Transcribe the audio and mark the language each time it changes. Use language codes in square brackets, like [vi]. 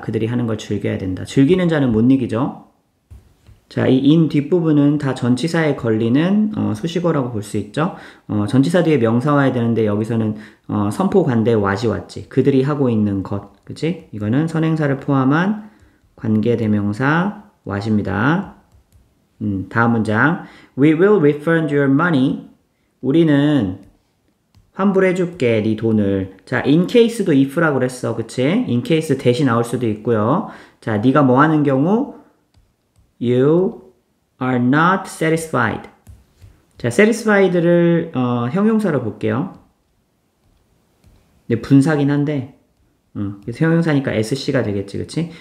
[ko] 그들이 하는 걸 즐겨야 된다. 즐기는 자는 못 이기죠. 자, 이 in 뒷부분은 다 전치사에 걸리는 수식어라고 볼수 있죠. 전치사 뒤에 명사화해야 되는데 여기서는 선포 관대 was 왔지. 그들이 하고 있는 것, 그치? 이거는 선행사를 포함한 관계 대명사 was입니다. 다음 문장. [en] We will refund your money. [ko] 우리는 환불해줄게, 네 돈을. 자, in case도 if라고 그랬어, 그치? in case 대시 나올 수도 있고요. 자, 네가 뭐 하는 경우? [en] You are not satisfied. [ko] 자, satisfied를 형용사로 볼게요. 근데 분사긴 한데, 그래서 형용사니까 sc가 되겠지, 그치?